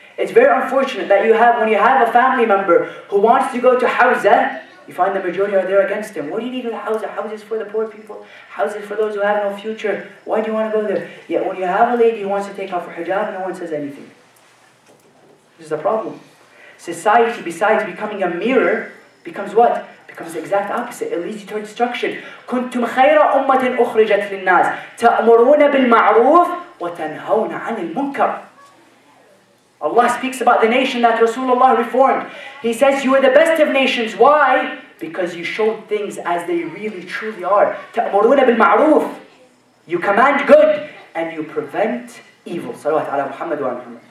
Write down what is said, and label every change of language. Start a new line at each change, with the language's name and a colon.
English: It's very unfortunate that when you have a family member who wants to go to Hawza, you find the majority are there against him. What do you need with Hawza? Hawza is for the poor people. Hawza is for those who have no future. Why do you want to go there? Yet when you have a lady who wants to take off her hijab, no one says anything. This is a problem. Society, besides becoming a mirror, becomes what? Becomes the exact opposite. It leads you toward destruction.
Arabic: كنتم خير أمة أخرجت للناس تأمرون بالمعروف وَتَنْهَوْنَ عَنِ الْمُنْكَرِ.
English: Allah speaks about the nation that Rasulullah reformed. He says, you are the best of nations. Why? Because you show things as they really truly are.
Arabic: تَأْمُرُونَ بِالْمَعْرُوفِ.
English: You command good and you prevent evil. Salawat ala Muhammad wa Muhammad.